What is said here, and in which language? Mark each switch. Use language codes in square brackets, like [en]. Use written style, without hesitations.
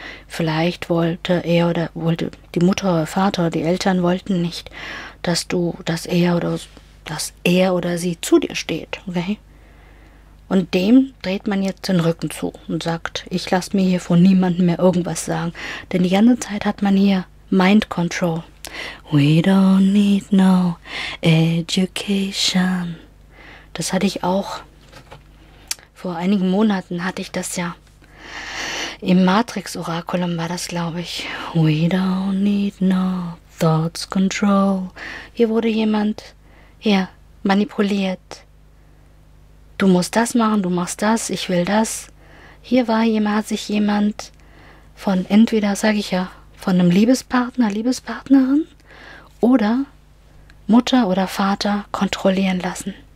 [de] Vielleicht wollte er oder wollte die Mutter oder Vater, die Eltern wollten nicht, dass du, dass er oder sie zu dir steht, okay? Und dem dreht man jetzt den Rücken zu und sagt, ich lasse mir hier von niemandem mehr irgendwas sagen. Denn die ganze Zeit hat man hier Mind Control. [en] We don't need no education. [de] Das hatte ich auch vor einigen Monaten, hatte ich das ja. Im Matrix-Orakulum war das, glaube ich. [en] We don't need no thoughts control. [de] Hier wurde jemand, ja, manipuliert. Du musst das machen, du machst das, ich will das. Hier war jemand, hat sich jemand von entweder, sage ich ja, von einem Liebespartner, Liebespartnerin oder Mutter oder Vater kontrollieren lassen.